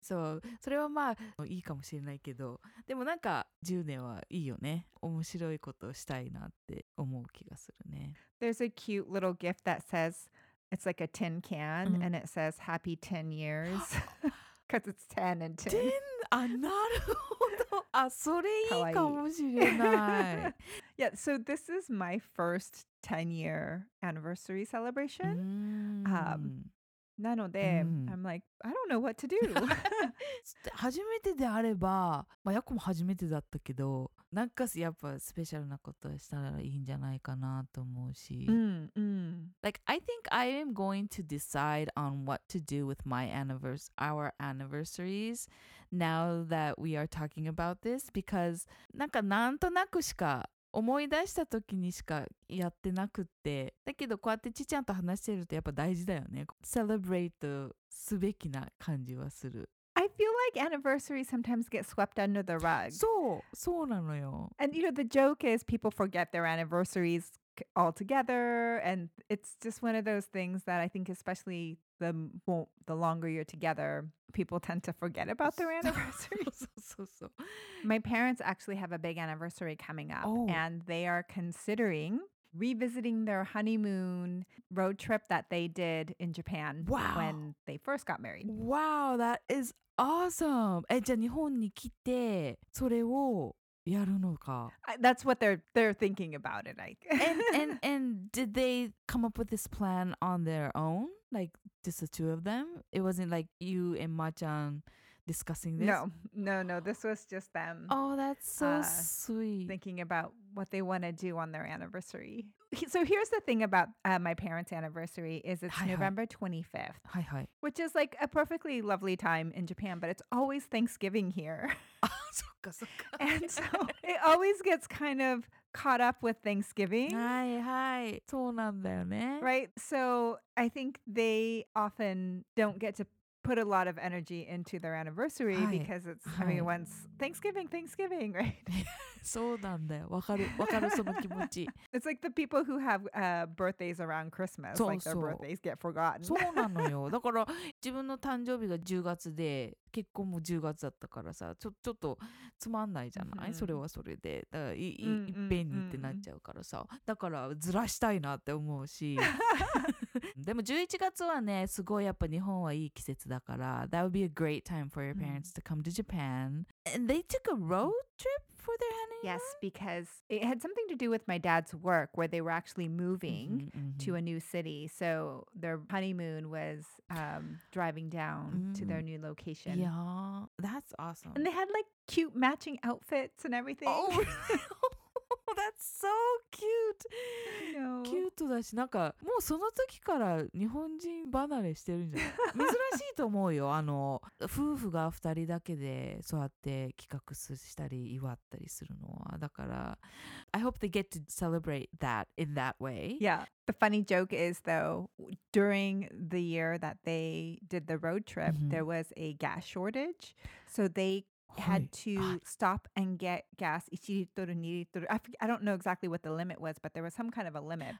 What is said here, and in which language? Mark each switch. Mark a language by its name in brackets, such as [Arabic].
[Japanese] So それはまあいいかもしれないけど、でもなんか10年はいいよね。面白いことをしたいなって思う気がするね。 [English] There's a cute little gift that says, it's like a tin can and it says happy 10 years. Because it's 10 and 10. [Japanese] 10? あ、なるほど。あ、それいいかもしれない。 [English] Yeah, so this is my first 10-year anniversary celebration. なので、I'm like, I don't know what to do. [Japanese] 初めてであれば、まあ、やっこも初めてだったけど、なんかやっぱスペシャルなことしたらいいんじゃないかなと思うし。 [English] Like, I think I am going to decide on what to do with my our anniversaries now that we are talking about this, because [Japanese] なんかなんとなくしか思い出した時にしかやってなくって、だけどこうやってちちゃんと話してるとやっぱ大事だよね。 Celebrate すべきな感じはする。 [English] I feel like anniversaries sometimes get swept under the rug. [Japanese] そう、そうなのよ。 [English] And you know, the joke is people forget their anniversariesAltogether, and it's just one of those things that I think, especially the longer you're together, people tend to forget about their anniversaries. So. My parents actually have a big anniversary coming up, and they are considering revisiting their honeymoon road trip that they did in Japan when they first got married. Wow, that is awesome! [Japanese] じゃあ日本に来てそれをやるのか。 [English] That's what they're thinking about it. Like, and did they come up with this plan on their own? Like, just the two of them? It wasn't like you and Ma-chan discussing this? No. This was just them. Oh, that's so sweet. Thinking about what they want to do on their anniversary. So here's the thing about my parents' anniversary is it's November 25th. Hi, hi. Which is like a perfectly lovely time in Japan, but it's always Thanksgiving here. And so it always gets kind of caught up with Thanksgiving. [Japanese] Hi, hi. そうなんだよね。 [English] Right? So I think they often don't get to put a lot of energy into their anniversary because it's coming once Thanksgiving, right? [Japanese] そうなんだよ。わかるその気持ち。 [English] It's like the people who have birthdays around Christmas. [Japanese] そうそう。 [English] Like their birthdays get forgotten. [Japanese] そうなのよ。だから自分の誕生日が10月で結婚も10月だったからさ、ちょっとつまんないじゃない、それはそれで。だから いっぺんにってなっちゃうからさ。だからずらしたいなって思うし。でも11月はね、すごいやっぱ日本はいい季節だから。 [English] That would be a great time for your parents to come to Japan. And they took a road trip for their honeymoon? Yes, because it had something to do with my dad's work, where they were actually moving to a new city. So their honeymoon was driving down to their new location. Yeah, that's awesome. And they had like cute matching outfits and everything. Oh, really? That's so cute. I know. [Japanese] Cute だし、なんかもうその時から日本人離れしてるんじゃない？珍しいと思うよ。あの夫婦が二人だけでそうやって企画したり祝ったりするのは、だから [English] I hope they get to celebrate that in that way. Yeah. The funny joke is though, during the year that they did the road trip, there was a gas shortage, so they had to stop and get gas 1 liter, 2 liter. I don't know exactly what the limit was, but there was some kind of a limit.